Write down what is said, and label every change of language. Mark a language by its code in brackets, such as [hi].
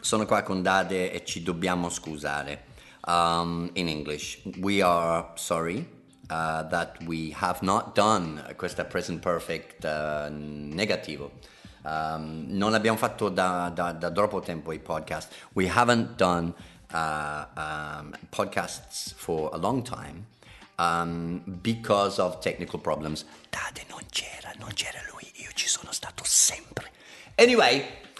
[it] Sono qua con Dade e ci dobbiamo scusare. [en] In English, we are sorry that we have not done [it] questa [en] present perfect negativo. [it] Non abbiamo fatto da troppo tempo i podcast. [en] We haven't done podcasts for a long time because of technical problems. [it] Dade non c'era lui, io ci sono stato sempre. [en] Anyway.